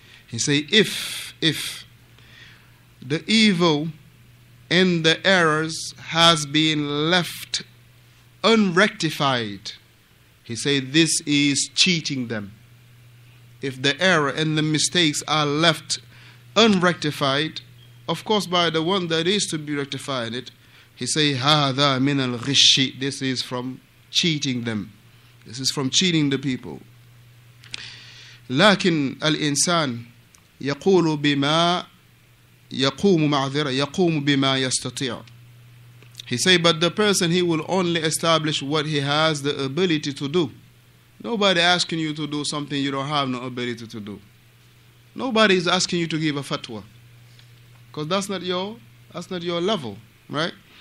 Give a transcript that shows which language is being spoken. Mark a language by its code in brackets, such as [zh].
[en] He say if the evil and the errors has been left unrectified, he say this is cheating them. If the error and the mistakes are left unrectified, of course by the one that is to be rectifying it, he say [ar] hadha min al ghish, [en] this is from cheating them, this is from cheating the people. [ar] لكن الإنسان يقول بما يقوم معذرة يقوم بما يستطيع. [en] He say, but the person, he will only establish what he has the ability to do. Nobody asking you to do something you don't have no ability to do. Nobody is asking you to give a fatwa, because that's not your level, right?